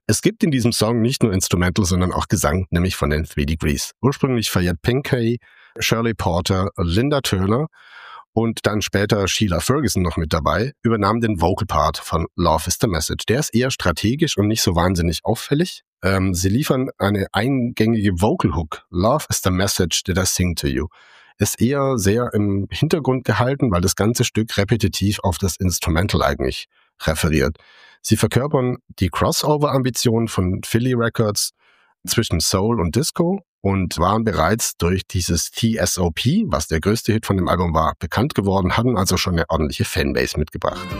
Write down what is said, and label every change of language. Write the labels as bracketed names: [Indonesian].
[German] Es gibt in diesem Song nicht nur Instrumental, sondern auch Gesang, nämlich von den Three Degrees. Ursprünglich Fayette Pinkey, Shirley Porter, Linda Turner und dann später Sheila Ferguson noch mit dabei, übernahm den Vocal Part von Love is the Message. Der ist eher strategisch und nicht so wahnsinnig auffällig. Sie liefern eine eingängige Vocal Hook. [English] Love is the message that I sing to you. [German] Ist eher sehr im Hintergrund gehalten, weil das ganze Stück repetitiv auf das Instrumental eigentlich referiert. Sie verkörpern die Crossover-Ambitionen von Philly Records zwischen Soul und Disco und waren bereits durch dieses TSOP, was der größte Hit von dem Album war, bekannt geworden, hatten also schon eine ordentliche Fanbase mitgebracht.